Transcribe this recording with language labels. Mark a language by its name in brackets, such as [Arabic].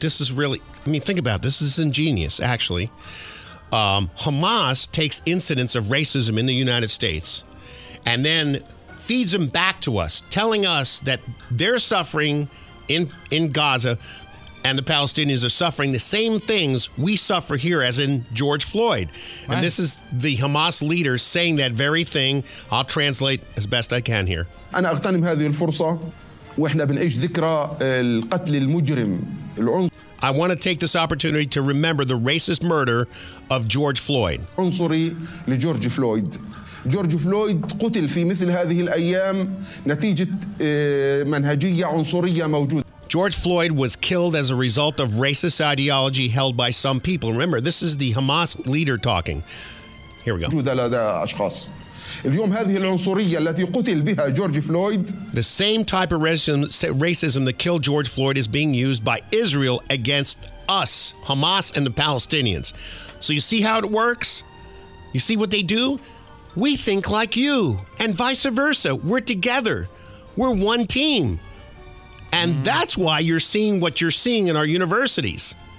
[English] This is really, I mean, think about it. This is ingenious, actually. Hamas takes incidents of racism in the United States and then feeds them back to us, telling us that they're suffering in Gaza and the Palestinians are suffering the same things we suffer here, as in George Floyd. Right. And this is the Hamas leader saying that very thing. I'll translate as best I can here. [Arabic] أنا أغتنم هذه الفرصة وإحنا بنعيش ذكرى القتل المجرم العنصري. [English] I want to take this opportunity to remember the racist murder of George Floyd. [Arabic] عنصري لجورج فلويد. جورج فلويد قتل في مثل هذه الأيام نتيجة منهجية عنصرية موجودة. [English] George Floyd was killed as a result of racist ideology held by some people. Remember, this is the Hamas leader talking. Here we go. [Arabic] موجودة لدى أشخاص. اليوم هذه العنصرية التي قتل بها جورج فلويد. [English] The same type of racism that killed George Floyd is being used by Israel against us, Hamas and the Palestinians. So you see how it works? You see what they do? We think like you, and vice versa. We're together. We're one team. And that's why you're seeing what you're seeing in our universities.